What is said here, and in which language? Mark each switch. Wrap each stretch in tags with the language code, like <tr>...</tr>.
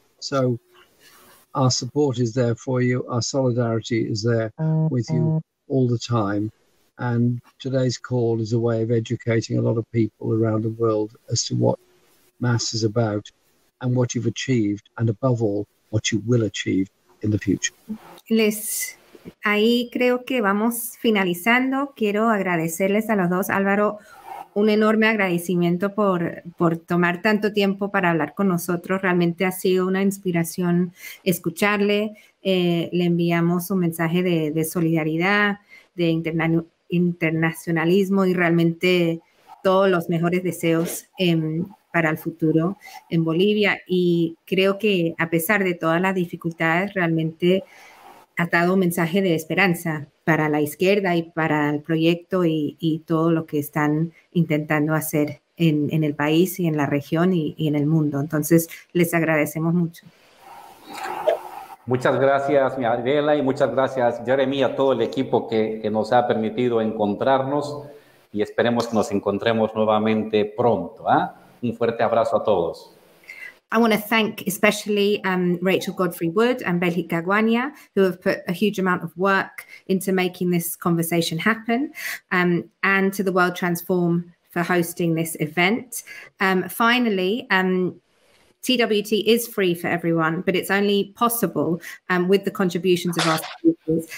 <en>So our support is there for you. Our solidarity is there with you all the time. And today's call is a way of educating a lot of people around the world as to what MAS is about and what you've achieved, and above all, what you will achieve in the future.</en> <es>Liz. Ahí creo que vamos finalizando. Quiero agradecerles a los dos, Álvaro, un enorme agradecimiento por tomar tanto tiempo para hablar con nosotros. Realmente ha sido una inspiración escucharle. Le enviamos un mensaje de solidaridad, de internacionalismo y realmente todos los mejores deseos para el futuro en Bolivia. Y creo que a pesar de todas las dificultades, realmente ha dado un mensaje de esperanza para la izquierda y para el proyecto y todo lo que están intentando hacer en el país y en la región y en el mundo. Entonces, les agradecemos mucho. Muchas gracias, Mariela, y muchas gracias, Jeremy, a todo el equipo que nos ha permitido encontrarnos, y esperemos que nos encontremos nuevamente pronto. Un fuerte abrazo a todos.</es> <en>I want to thank especially Rachel Godfrey-Wood and Belgica Guania, who have put a huge amount of work into making this conversation happen, and to the World Transform for hosting this event. Finally, TWT is free for everyone, but it's only possible with the contributions of our supporters.</en>